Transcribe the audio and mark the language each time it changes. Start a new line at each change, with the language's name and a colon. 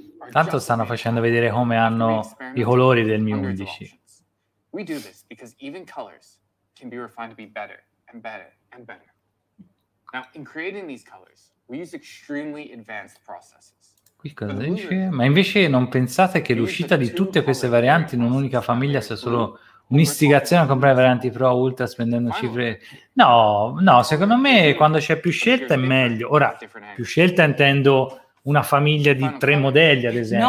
Italian: Tanto stanno facendo vedere come hanno i colori del Mi 11.
English: We do this because even colors can be refined to be better and better and better. Now, in creating these colors, we use extremely advanced processes.
Italian: Qui cosa dice? Ma invece non pensate che l'uscita di tutte queste varianti in un'unica famiglia sia solo un'istigazione a comprare varianti Pro Ultra spendendo cifre? No, secondo me quando c'è più scelta è meglio. Ora, più scelta intendo una famiglia di tre modelli, ad esempio.